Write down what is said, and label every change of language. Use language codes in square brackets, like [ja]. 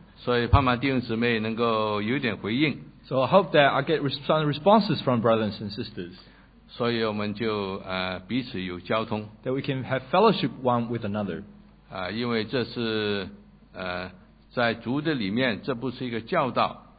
[zh] 所以盼望弟兄姊妹能够有点回应, [en] so I hope that I get some responses from brothers and sisters. [zh] 所以我们就, 彼此有交通, [en] that we can have fellowship one with another. [zh] 因为这是, 在主的里面, 这不是一个教导,